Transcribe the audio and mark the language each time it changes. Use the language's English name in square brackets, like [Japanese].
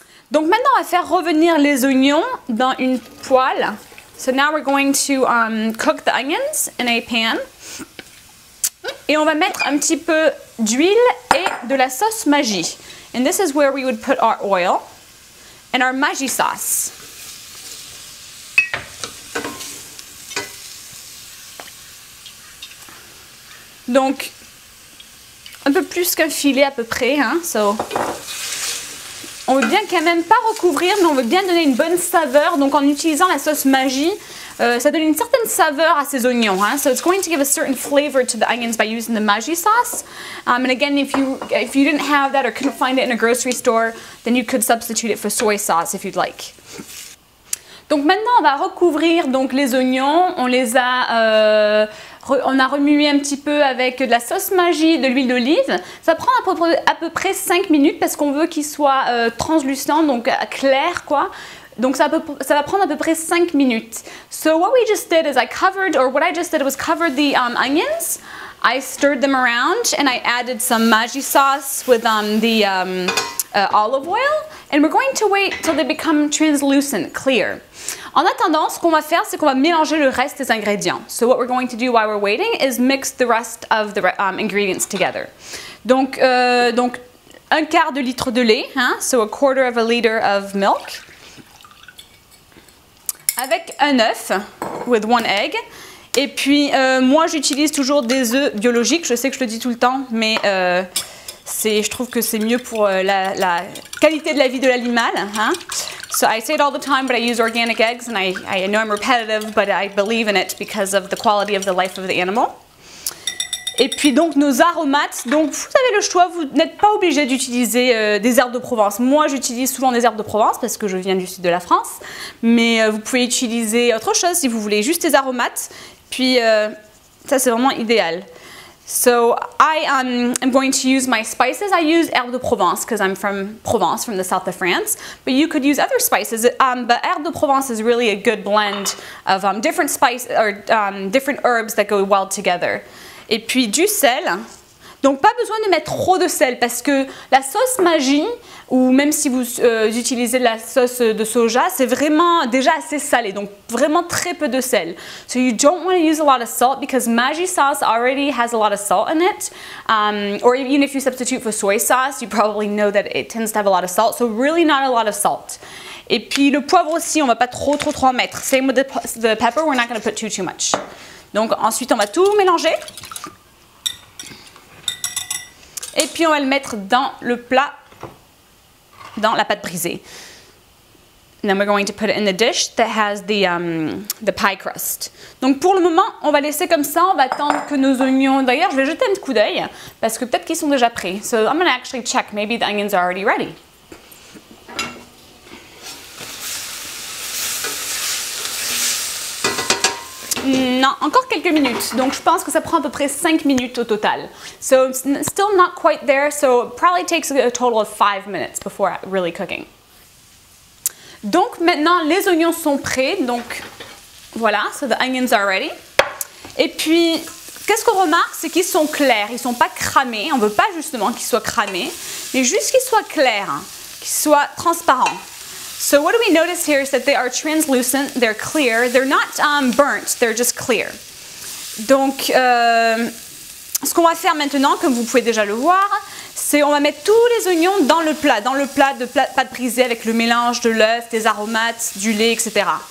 [French] Donc maintenant, on va faire revenir les oignons dans une poêle. [English] So now we're going to cook the onions in a pan. [French] Et on va mettre un petit peu d'huile et de la sauce magie. [English] And this is where we would put our oil and our magie sauce. [French] Donc, un peu plus qu'un filet à peu près. Hein? So, On veut bien quand même pas recouvrir, mais on veut bien donner une bonne saveur. Donc en utilisant la sauce magie, ça donne une certaine saveur à ces oignons. Hein? [English] So it's going to give a certain flavor to the onions by using the magie sauce. And again, if you didn't have that or couldn't find it in a grocery store, then you could substitute it for soy sauce if you'd like. [French] Donc maintenant, on va recouvrir donc les oignons. On les a on a remué un petit peu avec de la sauce magie, de l'huile d'olive. Ça prend à peu près 5 minutes parce qu'on veut qu'ils soient translucents, donc clairs, quoi. Donc ça va prendre à peu près 5 minutes. [English] So what we just did is I covered the onions. I stirred them around and I added some magie sauce with olive oil. And we're going to wait till they become translucent, clear. [French] En attendant, ce qu'on va faire, c'est qu'on va mélanger le reste des ingrédients. [English] So what we're going to do while we're waiting is mix the rest of the ingredients together. [French] Donc un quart de litre de lait, hein? [English] So a quarter of a liter of milk. [French] Avec un œuf, [English] with one egg. [French] Et puis, moi, j'utilise toujours des œufs biologiques. Je sais que je le dis tout le temps, mais je trouve que c'est mieux pour la qualité de la vie de l'animal. Hein? [English] So I say it all the time, but I use organic eggs, and I know I'm repetitive, but I believe in it because of the quality of the life of the animal. [French] Et puis donc nos aromates, donc vous avez le choix, vous n'êtes pas obligé d'utiliser des herbes de Provence. Moi j'utilise souvent des herbes de Provence parce que je viens du sud de la France, mais vous pouvez utiliser autre chose si vous voulez, juste des aromates, puis ça c'est vraiment idéal. [English] So I am going to use my spices. I use herbes de Provence because I'm from Provence, from the south of France. But you could use other spices. But herbes de Provence is really a good blend of different spices or different herbs that go well together. [French] Et puis du sel. Donc pas besoin de mettre trop de sel parce que la sauce magie, ou même si vous utilisez la sauce de soja, c'est vraiment déjà assez salé, donc vraiment très peu de sel. [English] So you don't want to use a lot of salt because magie sauce already has a lot of salt in it. Or even if you substitute for soy sauce, you probably know that it tends to have a lot of salt. So really not a lot of salt. [French] Et puis le poivre aussi, on va pas trop en mettre. [English] Same with the pepper, we're not going to put too much. [French] Donc ensuite on va tout mélanger. Et puis on va le mettre dans le plat, dans la pâte brisée. [English] Then we're going to put it in the dish that has the pie crust. [French] Donc pour le moment, on va laisser comme ça. On va attendre que nos oignons... D'ailleurs, je vais jeter un coup d'œil parce que peut-être qu'ils sont déjà prêts. [English] So I'm going to actually check. Maybe the onions are already ready. [French] Non, encore quelques minutes. Donc, je pense que ça prend à peu près 5 minutes au total. [English] So, still not quite there. So, it probably takes a total of 5 minutes before really cooking. [French] Donc, maintenant, les oignons sont prêts. Donc, voilà. [English] So, the onions are ready. [French] Et puis, qu'est-ce qu'on remarque? C'est qu'ils sont clairs. Ils ne sont pas cramés. On ne veut pas justement qu'ils soient cramés. Mais juste qu'ils soient clairs, hein, qu'ils soient transparents. [English] So what do we notice here is that they are translucent, they're clear, they're not burnt, they're just clear. [French] Donc, ce qu'on va faire maintenant, comme vous pouvez déjà le voir, c'est on va mettre tous les oignons dans le plat de pâte brisée avec le mélange de l'œuf, des aromates, du lait, etc.